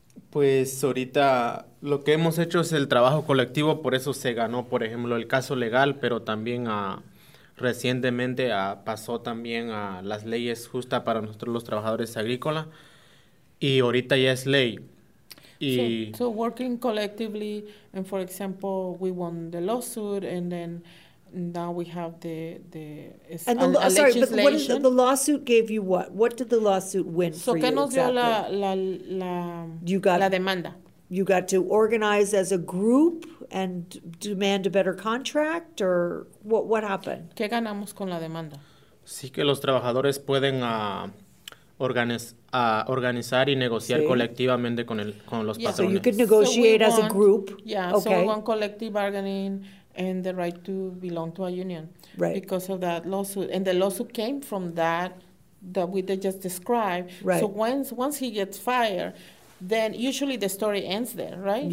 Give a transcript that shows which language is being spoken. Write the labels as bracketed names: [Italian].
[Spanish] Pues ahorita lo que hemos hecho es el trabajo colectivo, por eso se ganó, por ejemplo, el caso legal, pero también recientemente pasó también a las leyes justas para nosotros los trabajadores agrícolas, y ahorita ya es ley. Y [English] so working collectively, and for example, we won the lawsuit, and then now we have legislation. But the lawsuit gave you what? What did the lawsuit win for you? [Spanish] ¿Qué nos dio [English] exactly? [Spanish] La demanda. [English] You got to organize as a group and demand a better contract, or what happened? [Spanish] ¿Qué ganamos con la demanda? Sí, que los trabajadores pueden organizar y negociar colectivamente con los patrones. [English] So you could negotiate as a group. Yeah, okay. So we want collective bargaining and the right to belong to a union, right? Because of that lawsuit, and the lawsuit came from that we just described. Right. So once he gets fired, then usually the story ends there, right?